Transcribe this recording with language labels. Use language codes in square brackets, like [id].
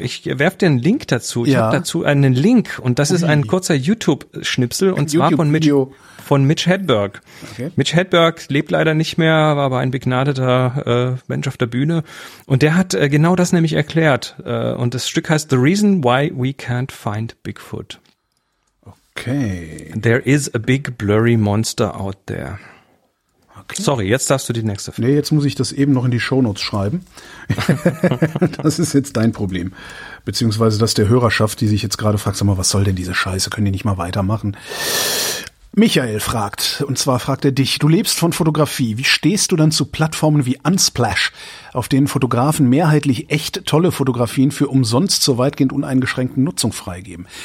[de] Ich werf dir einen Link dazu. Ich habe dazu einen Link und das ist ein kurzer YouTube-Schnipsel und zwar von Mitch Hedberg. Okay. Mitch Hedberg lebt leider nicht mehr, war aber ein begnadeter Mensch auf der Bühne. Und der hat genau das nämlich erklärt. Und das Stück heißt The Reason Why We Can't Find Bigfoot. Okay. [en] There is a big blurry monster out there. [de] Okay. Sorry, jetzt darfst du die nächste Frage. Nee, jetzt muss ich das eben noch in die Shownotes schreiben. Das ist jetzt dein Problem. Beziehungsweise das der Hörerschaft, die sich jetzt gerade fragt, sag mal, was soll denn diese Scheiße? Können die nicht mal weitermachen? Michael fragt, und zwar fragt er dich, du lebst von Fotografie, wie stehst du dann zu Plattformen wie Unsplash, auf denen Fotografen mehrheitlich echt tolle Fotografien für umsonst zur weitgehend uneingeschränkten Nutzung freigeben?